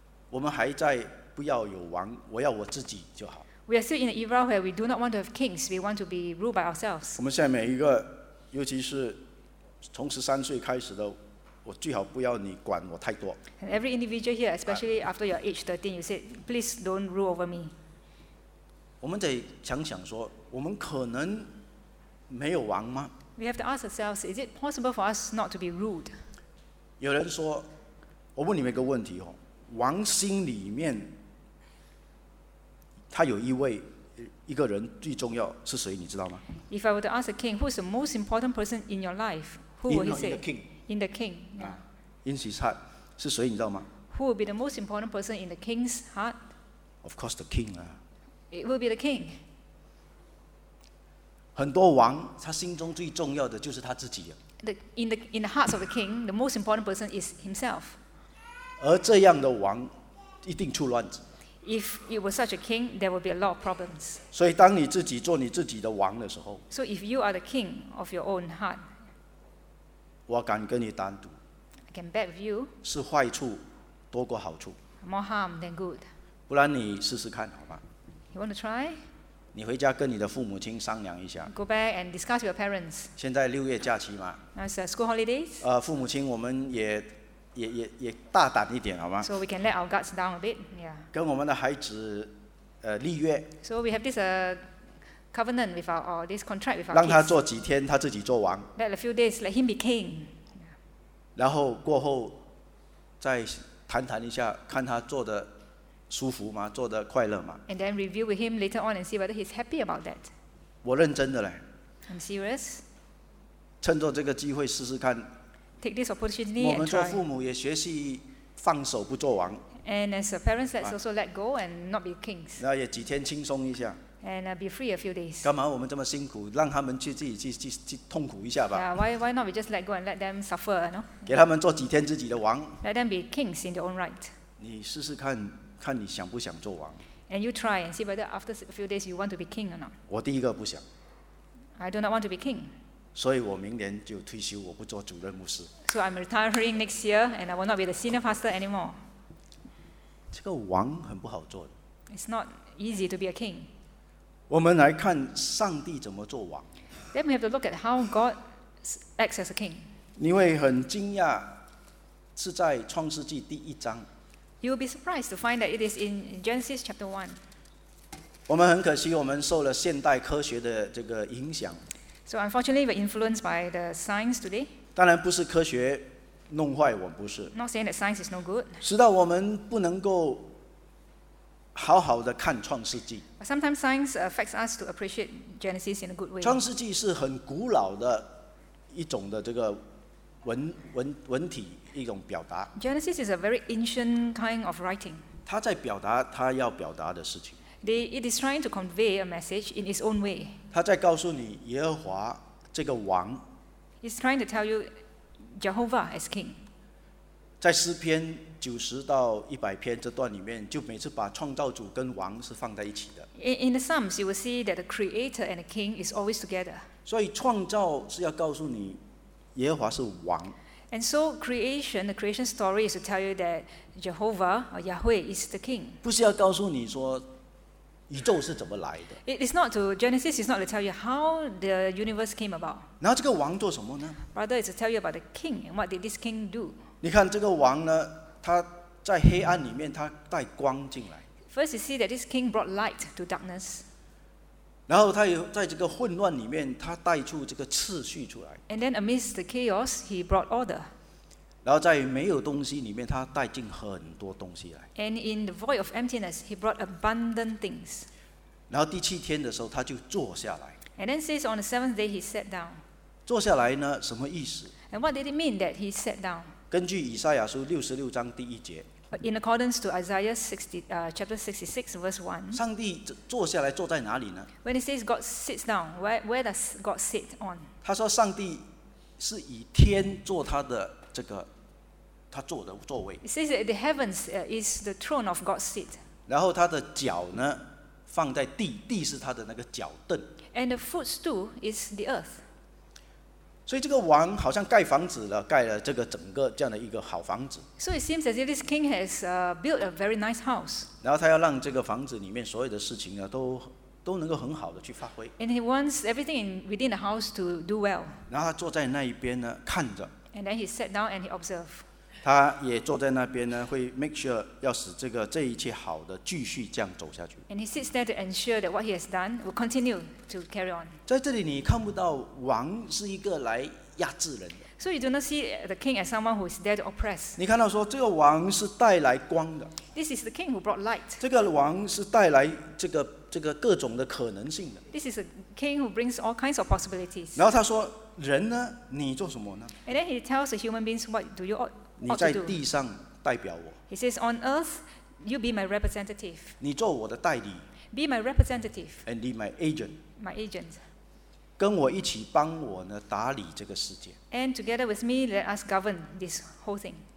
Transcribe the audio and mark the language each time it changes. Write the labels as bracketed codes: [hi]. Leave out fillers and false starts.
[zh] 我们还在不要有王，我要我自己就好。 [en] We are still in an era where we do not want to have kings. We want to be ruled by ourselves. [zh] 我们现在每一个。尤其是从十三岁开始的，我最好不要你管我太多。 [en] And every individual here, especially after your age 13, you said, please don't rule over me. [zh] 我们得想想说，我们可能没有王吗？ [en] We have to ask ourselves, is it possible for us not to be ruled? [zh] 有人说，我问你们一个问题哦，王心里面他有一位。一个人最重要是谁，你知道吗？ [en] If I were to ask a king, who's the most important person in your life, who would he say? In the king. In his heart, [zh] 是谁，你知道吗？ [en] Who would be the most important person in the king's heart? Of course, the king. It would be the king. [zh] 很多王，他心中最重要的就是他自己。 [en] In the hearts of the king, the most important person is himself. [zh] 而这样的王，一定出乱子。 [en] If you were such a king, there would be a lot of problems. [zh] 所以当你自己做你自己的王的时候， [en] So if you are the king of your own heart, [zh] 我敢跟你单独， [en] I can bet with you, [zh] 是坏处多过好处， [en] More harm than good. [zh] 不然你试试看好吗？ [en] You want to try? [zh] 你回家跟你的父母亲商量一下， [en] Go back and discuss with your parents. [zh] 现在六月假期嘛， [en] It's school holidays. [zh] 父母亲我们也大胆一点好吗？ [en] So we can let our guards down a bit, yeah. [zh] 跟我们的孩子立约。 [en] So we have this covenant with our, or this contract with our. [zh] 让他做几天，他自己做王。 [en] Let a few days, let him be king. [zh] 然后过后再谈谈一下，看他做的舒服吗？做的快乐吗 [en] ？And then review with him later on and see whether he's happy about that. [zh] 我认真的嘞。 [en] I'm serious. [zh] 趁着这个机会试试看。 [en] Take this opportunity and try. [zh] 我们做父母也学习放手不做王。 [en] And as a parent, let's also let go and not be kings. [zh] 那也几天轻松一下。 [en] And be free a few days. [zh] 干嘛我们这么辛苦，让他们去自己 去痛苦一下吧。 [en] Yeah, why not we just let go and let them suffer, you know? [zh] 给他们做几天自己的王。 [en] Let them be kings in their own right. [zh] 你试试看，看你想不想做王。 [en] And you try and see whether after a few days you want to be king or not. [zh] 我第一个不想。 [en] I do not want to be king. [zh] 所以我明年就退休，我不做主任牧师。 [en] So I'm retiring next year and I will not be the senior pastor anymore. [zh] 这个王很不好做的。 [en] It's not easy to be a king. [zh] 我们来看上帝怎么做王。 [en] Then we have to look at how God acts as a king. [zh] 你会很惊讶，是在创世纪第一章。 [en] You'll be surprised to find that it is in Genesis chapter 1. [zh] 我们很可惜，我们受了现代科学的这个影响。 [en] So unfortunately, we're influenced by the science today. [zh] 当然不是科学弄坏我们，不是。 [en] Not saying that science is no good. [zh] 直到我们不能够好好的看创世纪。 [en] Sometimes science affects us to appreciate Genesis in a good way. [zh] 创世纪是很古老的一种的这个 文体一种表达。 [en] Genesis is a very ancient kind of writing. [zh] 它在表达它要表达的事情。 [en] It is trying to convey a message in its own way. [zh] 它在告诉你耶和华这个王。 [en] It's trying to tell you Jehovah as king. [zh] 在诗篇90-100这段里面，就每次把创造主跟王是放在一起的。 [en] In the Psalms, you will see that the Creator and the King is always together. [zh] 所以创造是要告诉你，耶和华是王。 [en] And so creation, the creation story is to tell you that Jehovah or Yahweh is the King. [zh] 不是要告诉你说宇宙是怎么来的。 [en] It is not to Genesis is not to tell you how the universe came about. [zh] 然后这个王做什么呢 [en] ？Rather, it's to tell you about the King and what did this King do. [zh] 你看这个王呢？他在黑暗里面，他带光进来。 [en] First, you see that this king brought light to darkness. [zh] 然后他在这个混乱里面，他带出这个秩序出来。 [en] And then amidst the chaos, he brought order. [zh] 然后在没有东西里面，他带进很多东西来。 [en] And in the void of emptiness, he brought abundant things. [zh] 然后第七天的时候，他就坐下来。 [en] And then says on the seventh day, he sat down. [zh] 坐下来呢，什么意思 [en] ？And what did it mean that he sat down? [zh] 根据以赛亚书66:1 [en] In accordance to Isaiah 60, chapter 66, verse 1, [zh] 上帝坐下来坐在哪里呢 [en] ？When it says God sits down, where does God sit on? [zh] 他说上帝是以天做他的这个他坐的座位。 [en] It says that the heavens is the throne of God's seat. [zh] 然后他的脚呢放在地，地是他的那个脚凳。 [en] And the footstool is the earth. [zh] 所以这个王好像盖房子了，盖了这个整个这样的一个好房子。 [en] So it seems as if this king has built a very nice house. [zh] 然后他要让这个房子里面所有的事情呢，都能够很好的去发挥。 [en] And he wants everything within the house to do well. [zh] 然后他坐在那一边呢，看着。 [en] And then he sat down and he observed. [zh] 他也坐在那边呢，会 [en] make sure [zh] 要使这一切好的继续这样走下去。 [en] And he sits there to ensure that what he has done will continue to carry on. [zh] 在这里你看不到王是一个来压制人的。 [en] So you do not see the king as someone who is there to oppress. [zh] 你看到说这个王是带来光的。 [en] This is the king who brought light. [zh] 这个王是带来这个各种的可能性的。 [en] This is a king who brings all kinds of possibilities. [zh] 然后他说人呢，你做什么呢 [en] ？And then he tells the human beings, what do you ought? [zh] 你在地上代表我。 [en] He says, "On earth, you be my representative." [zh] 你做我的代理。 [en] Be my representative. And be my agent. My agent. [zh] 跟我一起帮我呢打理这个世界。 [en] And together with me, let us govern this whole thing.